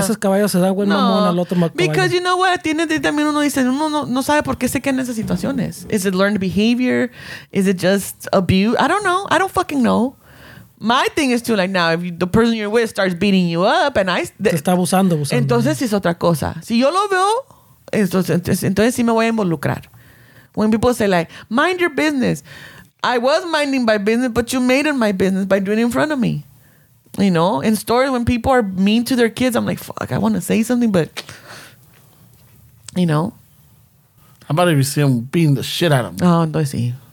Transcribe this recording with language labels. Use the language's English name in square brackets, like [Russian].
[Spanish] Esos caballos se dan buen mamón al otro caballo. [English] Because you know what? [Spanish] Tiene también uno dice, uno no sabe por qué se queda en esas situaciones. [English] Is it learned behavior? Is it just abuse? I don't know. I don't fucking know. My thing is to like now, if the person you're with starts beating you up and I... [Spanish] Te está abusando. Entonces es otra cosa. Si yo lo veo, entonces sí me voy a involucrar. [English] When people say like, mind your business. I was minding my business, but you made it my business by doing it in front of me. You know, in stories when people are mean to their kids, I'm like, fuck, I want to say something, but, you know. How about if you see them beating the shit out of me? Oh, no, I see.